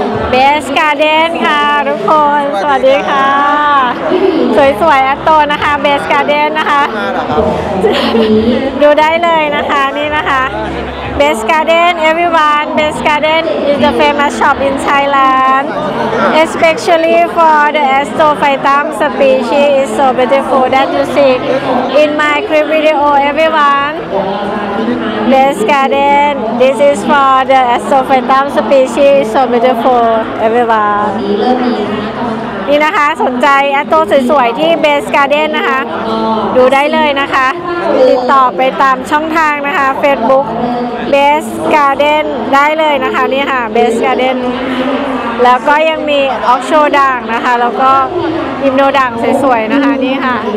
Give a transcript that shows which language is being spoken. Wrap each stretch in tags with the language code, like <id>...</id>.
<th>เบสการ์เด้นค่ะทุกคนสวัสดีค่ะสวยๆแอสโตรนะคะเบสการ์เด้นนะคะดูได้เลยนะคะนี่นะคะ</th> <en>Best Garden everyone, Best Garden is the famous shop in Thailand. Especially for the Astrophytum species is so beautiful that you see in my clip video everyone. Best Garden, this is for the Astrophytum species is so beautiful everyone.</en> <th>นี่นะคะสนใจแอตโต้สวยๆที่เบสการ์เด้นนะคะดูได้เลยนะคะติดต่อไปตามช่องทางนะคะ Facebook เบสการ์เด้นได้เลยนะคะนี่ค่ะเบสการ์เด้นแล้วก็ยังมีออฟโชด่างนะคะแล้วก็อิมโนด่างสวยๆนะคะนี่ค่ะ</th>